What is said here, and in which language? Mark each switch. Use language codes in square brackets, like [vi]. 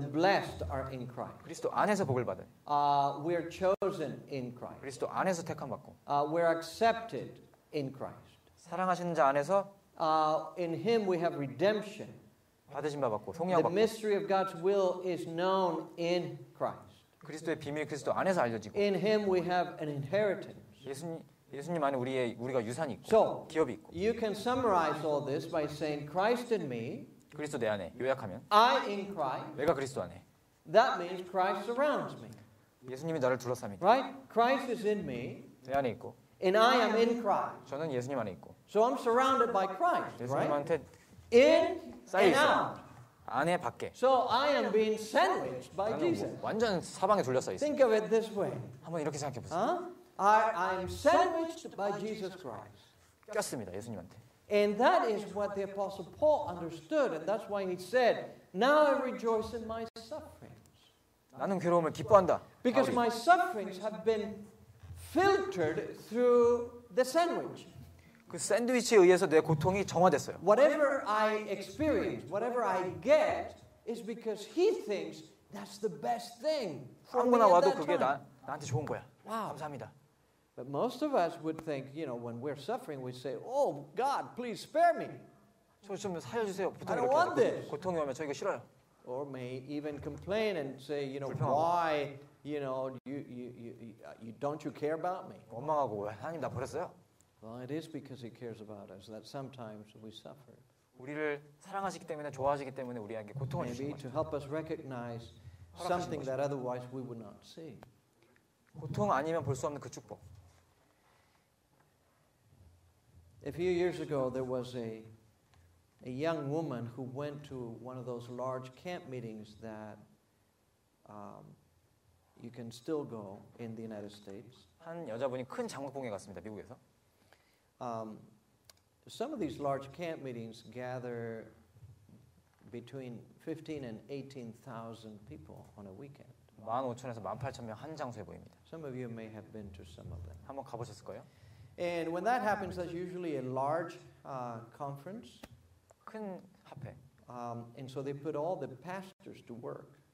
[en] The blessed are in Christ. [ko] 그리스도 안에서 복을 받은. [en] We are chosen in Christ. [ko] 그리스도 안에서 택함 받고. [en] We are accepted in Christ. [ko] 사랑하시는 자 안에서. [en] In Him we have redemption. [ko] 받으신 바 받고 속량 받고. [en] The mystery of God's will is known in Christ. [ko] 그리스도의 비밀 그리스도 안에서 알려지고. [en] In Him we have an inheritance. [ko] 예수님 안에 우리가 유산이 있고 so, 기업이 있고. [en] You can summarize all this by saying Christ in me. [ko] 그리스도 내 안에 요약하면. [en] I in Christ. [ko] 내가 그리스도 안에. [en] That means Christ surrounds me. [ko] 예수님이 나를 둘러쌉니다. [en] Right? Christ is in me. [ko] 내 안에 있고. [en] And I am in Christ. [ko] 저는 예수님 안에 있고. [en] So I'm surrounded by Christ. [ko] 예수님한테 [en] in and out. [ko] 안에 밖에. [en] So I am being sandwiched by Jesus. [ko] 완전 사방에 둘려서 있어. [en] Think of it this way. [ko] 한번 이렇게 생각해 보세요. [en] I am sandwiched by Jesus Christ. [ko] 꼈습니다, 예수님한테. [en] And that is what the Apostle Paul understood, and that's why he said, "Now I rejoice in my sufferings." [ko] 나는 괴로움을 기뻐한다. [en] Because my sufferings have been filtered through the sandwich. [ko] 그 샌드위치에 의해서 내 고통이 정화됐어요. [en] Whatever I experience, whatever I get, is because he thinks that's the best thing. [ko] 아무나 와도 그게 나한테 좋은 거야. 와, 감사합니다. [en] But most of us would think, you know, when we're suffering, we say, "Oh God, please spare me." [ko] 저 좀 살려 주세요. 보통 이렇게 고통이 오면 저 이거 싫어요. [en] Or may even complain and say, you know, [ko] 불평하고. [en] "Why, you know, you don't you care about me?" [ko] 원망하고 왜 하나님 나 버렸어요? [en] Well, it is because he cares about us that sometimes we suffer. [ko] 우리를 사랑하시기 때문에 좋아하시기 때문에 우리에게 고통을 주시는 거예요. [en] Maybe to help us recognize something that otherwise we would not see. [ko] 고통 아니면 볼 수 없는 그 축복. [en] A few years ago, there was a young woman who went to one of those large camp meetings that you can still go in the United States. [ko] 한 여자분이 큰 장로봉에 갔습니다, 미국에서. [en] Some of these large camp meetings gather between 15 and 18,000 people on a weekend. [ko] 15,000에서 18,000명 한 장소에 모입니다. [en] Some of you may have been to some of them. [ko] 한번 가보셨을 거예요? [en] And when that happens, that's usually a large conference. [ko] 큰 합회. [en] And so they put all the pastors to work.